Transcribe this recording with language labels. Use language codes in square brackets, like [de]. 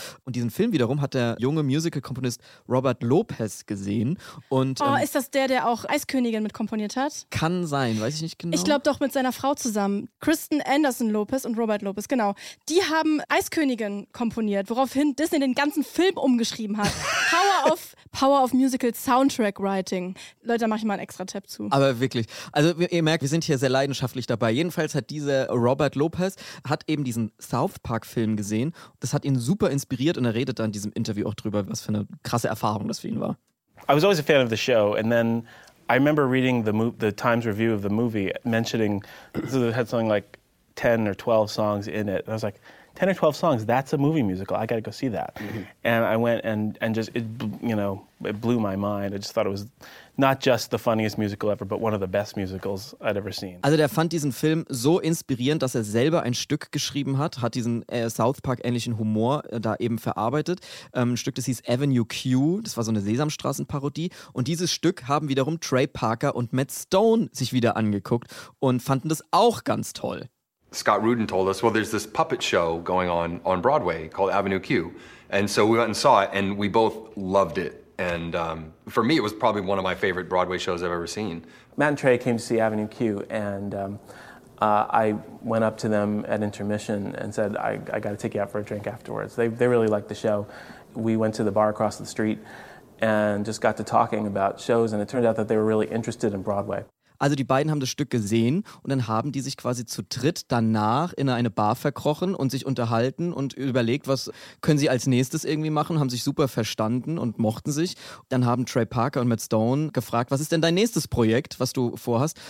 [de] Und diesen Film wiederum hat der junge Musical-Komponist Robert Lopez gesehen. Und, ist das der auch Eiskönigin mit komponiert hat? Kann sein, weiß ich nicht genau. Ich glaube doch mit seiner Frau zusammen. Kristen Anderson Lopez und Robert Lopez, genau. Die haben Eiskönigin komponiert, woraufhin Disney den ganzen Film umgeschrieben hat. [en] Power of Musical Soundtrack Writing. [de] Leute, da mache ich mal einen extra Tab zu. Aber wirklich. Also ihr merkt, wir sind hier sehr leidenschaftlich dabei. Jedenfalls hat dieser Robert Lopez hat eben diesen South Park Film gesehen. Das hat ihn super inspiriert und er redet dann in diesem Interview auch drüber, was für eine krasse Erfahrung das für ihn war. [en] I was always a fan of the show and then I remember reading the Times review of the movie mentioning so it had something like 10 or 12 songs in it. And I was like, 10 or 12 songs, that's a movie musical. I got to go see that. Mm-hmm. And I went and just, it, you know, it blew my mind. I just thought it was not just the funniest musical ever, but one of the best musicals I'd ever seen. [de] Also der fand diesen Film so inspirierend, dass er selber ein Stück geschrieben hat, hat diesen South Park-ähnlichen Humor da eben verarbeitet. Ein Stück, das hieß Avenue Q, das war so eine Sesamstraßen-Parodie. Und dieses Stück haben wiederum Trey Parker und Matt Stone sich wieder angeguckt und fanden das auch ganz toll. [en] Scott Rudin told us, well, there's this puppet show going on Broadway called Avenue Q. And so we went and saw it, and we both loved it. And for me, it was probably one of my favorite Broadway shows I've ever seen. Matt and Trey came to see Avenue Q, and I went up to them at intermission and said, I got to take you out for a drink afterwards. They really liked the show. We went to the bar across the street and just got to talking about shows, and it turned out that they were really interested in Broadway. [de] Also die beiden haben das Stück gesehen und dann haben die sich quasi zu dritt danach in eine Bar verkrochen und sich unterhalten und überlegt, was können sie als nächstes irgendwie machen, haben sich super verstanden und mochten sich. Dann haben Trey Parker und Matt Stone gefragt, was ist denn dein nächstes Projekt, was du vorhast?